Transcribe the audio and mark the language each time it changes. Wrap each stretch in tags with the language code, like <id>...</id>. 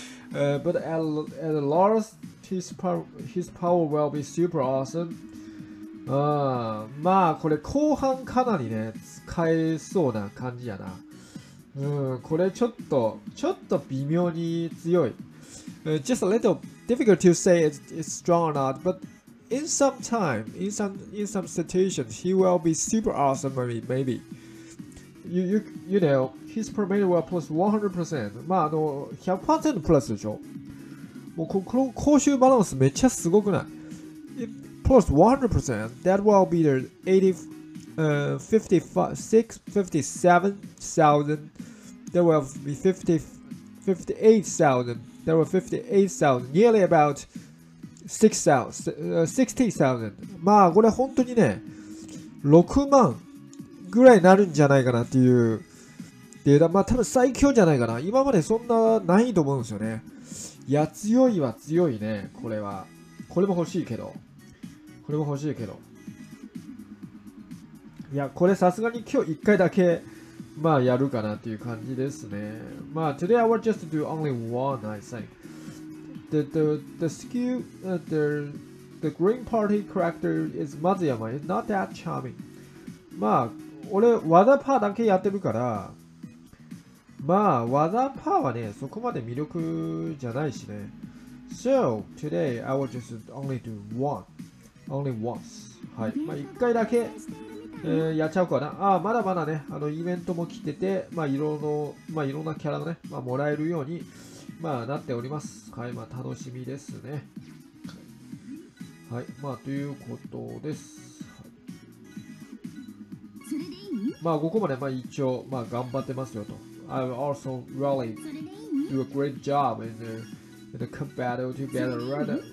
<en>But at last, his power will be super awesome.</en> <ja>まあこれ後半かなりね、使えそうな感じやな。これちょっと微妙に強い。</ja> <en>Just a little difficult to say it's strong or not, but... In some situations, he will be super awesome, maybe. You know, his permade will plus 100%.</en> <ja>まあ、あの、100% plus でしょ。もう、この高周バランスめっちゃすごくない</ja> <en>？If plus 100%, that will be the 57,000. There will be 58,000. There will be 58,000. Nearly about... 60,000.</en> <ja>まあこれ本当にね、6万ぐらいなるんじゃないかなっていうデータ。まあ多分最強じゃないかな。今までそんなないと思うんですよね。いや、強いは強いね、これは。これも欲しいけど。いや、これさすがに今日1回だけ、まあやるかなっていう感じですね。まあ、</ja> <en>Today I will just do only one, I think. The Green Party character is Matsuyama. It's not that charming.</en> <ja>まあ、俺、ワザパーだけやってるから、まあ、ワザパーはね、そこまで魅力じゃないしね。</ja> <en>So, today, I will just only do one. Only once.</en> <ja>はい。まあ、一回だけ、やっちゃおうかな。ああ、まだまだね、あの、イベントも来てて、まあ、いろんなキャラがね、まあ、もらえるように、まあなっております。はい、まあ楽しみですね。はい、まあということです。はい、まあここまで、まあ一応まあ頑張ってますよと。</ja> <en>I also really do a great job in the combat together, right?</en>